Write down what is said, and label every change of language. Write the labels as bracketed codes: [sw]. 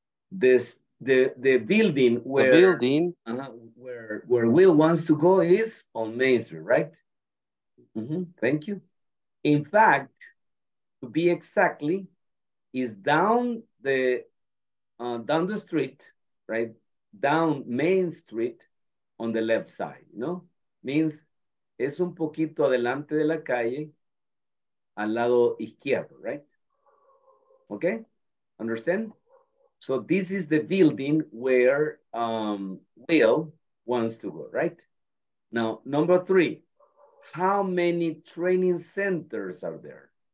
[en] The building where Will wants to go is on Main Street, right? Mm-hmm. Thank you. In fact, to be exactly, is down the street, right? Down Main Street on the left side, you know? [es] Means es un poquito adelante de la calle, al lado izquierdo, right? [en] Okay, understand? So this is the building where Will wants to go, right? Now, number three, how many training centers are there?